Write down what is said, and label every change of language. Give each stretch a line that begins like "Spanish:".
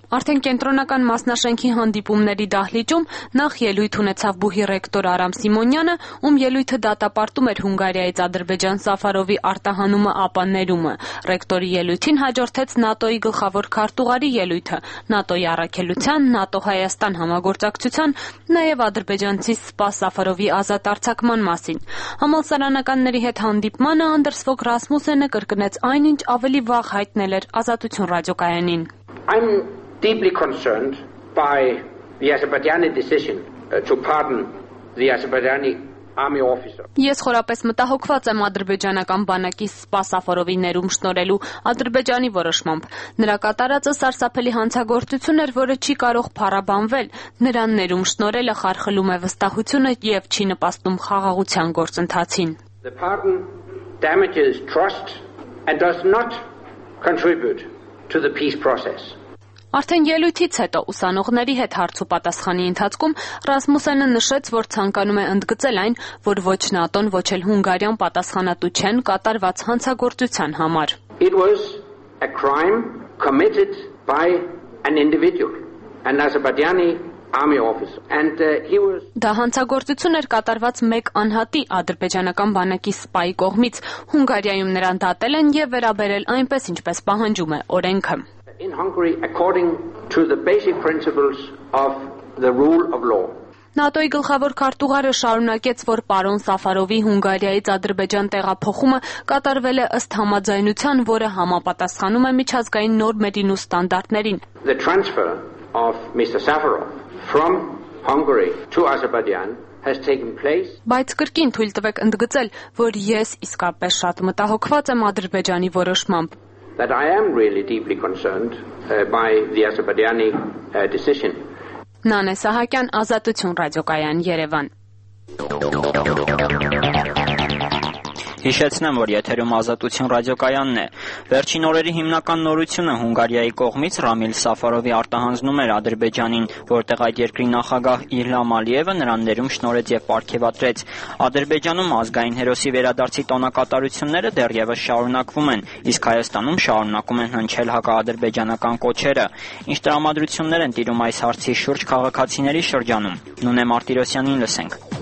Armenian: Արդեն կենտրոնական մասնաշենքի հանդիպումների դահլիճում նախ ելույթ ունեցավ բուհի ռեկտոր Արամ Սիմոնյանը, ում ելույթը դատապարտում էր Հունգարիայից Ադրբեջան սաֆարովի արտահանումը ապաներումը։ Ռեկտորի ելույթին հաջորդեց ՆԱՏՕ-ի գլխավոր քարտուղարի ելույթը, ՆԱՏՕ-ի առաքելության, ՆԱՏՕ-Հայաստան համագործակցության, նաև ադրբեջանցի Սպաս Սաֆարովի ազատ արձակման մասին։ Համալսարանականների հետ հանդիպմանը Անդերս ֆոգ Ռասմուսենը կրկնեց այնինչ ավելի վաղ հայտնել էր Ազատություն ռադիոկայանին.
English: I'm deeply concerned by the Azerbaijani decision to pardon the Azerbaijani army officer.
Armenian: Ես խորապես մտահոգված եմ ադրբեջանական բանակի Սպասաֆորովի ներում շնորելու ադրբեջանի որոշմամբ։ Նրա կատարածը սարսափելի հանցագործություն էր, որը չի կարող փառաբանվել։ Նրան ներում շնորելը խարխլում է վստահությունը եւ չի նպաստում խաղաղության գործընթացին։
English: The pardon damages trust and does not contribute to the peace process.
Armenian: Արդեն ելույթից հետո ուսանողների հետ հարցու պատասխանի ընթացքում Ռասմուսենը նշեց, որ ցանկանում է ընդգծել այն, որ ոչ ՆԱՏՕ-ն, ոչ էլ Հունգարիան պատասխանատու չեն կատարված հանցագործության համար.
English: It was a crime committed by an individual, an Azerbaijani army officer, and he was
Armenian: Դա հանցագործություն էր կատարված մեկ անհատի ադրբեջանական բանակի սպայի կողմից, Հունգարիայում նրան դատել են եւ վերաբերել այնպես, ինչպես պահանջում է օրենքը։
English: In Hungary, according to the basic principles of the rule of law.
Armenian: ՆԱՏՕ-ի գլխավոր քարտուղարը շարունակեց, որ պարոն Սաֆարովի Հունգարիայից Ադրբեջան տեղափոխումը կատարվել է ըստ համաձայնության, որը համապատասխանում է միջազգային նորմերին ու ստանդարտներին։
English: The transfer of Mr. Safarov from Hungary to Azerbaijan has taken place.
Armenian: Բայց կրկին թույլ տվեք ընդգծել, որ ես իսկապես շատ մտահոգված եմ Ադրբեջանի որոշմամբ.
English: That I am really deeply concerned by the Azerbaijani decision.
Armenian: Նանե Սահակյան, Ազատություն ռադիոկայան, Երևան։ Հիշեցնեմ, որ եթերում Ազատություն ռադիոկայանն է։ Վերջին օրերի հիմնական նորությունը Հունգարիայի կողմից Ռամիլ Սաֆարովի արտահանձնումը էր Ադրբեջանին, որտեղ այդ երկրի նախագահ Իլհամ Ալիևը նրան ներում շնորհեց եւ պարգևատրեց։ Ադրբեջանում ազգային հերոսի վերադարձի տոնակատարությունները դեռևս շարունակվում են, իսկ Հայաստանում շարունակում են հնչել հակա-ադրբեջանական կոչերը։ Ինչ տրամադրություններ են տիրում այս հարցի շուրջ քաղաքացիների շրջանում, Նունե Մարտիրոսյանին լսենք։